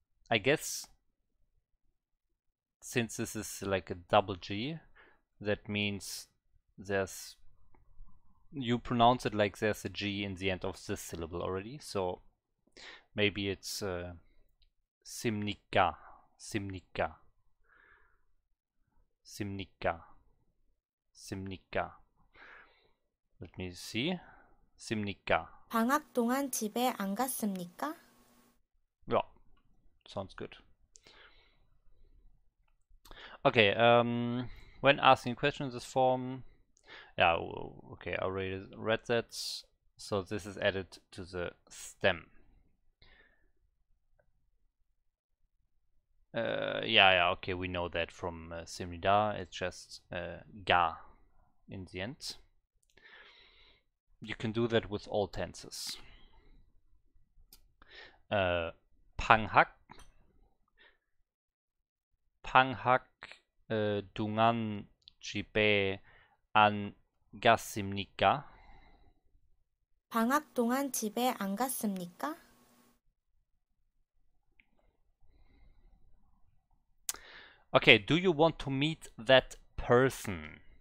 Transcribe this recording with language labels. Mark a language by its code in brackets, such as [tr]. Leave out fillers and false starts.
[en] I guess, since this is like a double G, that means there's, you pronounce it like there's a G in the end of this syllable already, so maybe it's [ko] 심리가, 심리가, 심리가, 심리가. [en] Let me see. [ko] 심리가. 방학 동안 집에 안 갔습니까? [en] Yeah, sounds good. Okay, when asking questions in this form, yeah, okay, I already read that, so this is added to the stem. Okay, we know that from 심리다, it's just ga in the end. You can do that with all tenses. [ko] 방학 방학 동안 집에 안 갔습니까? 방학 동안 집에 안 갔습니까? [en] Okay, do you want to meet that person?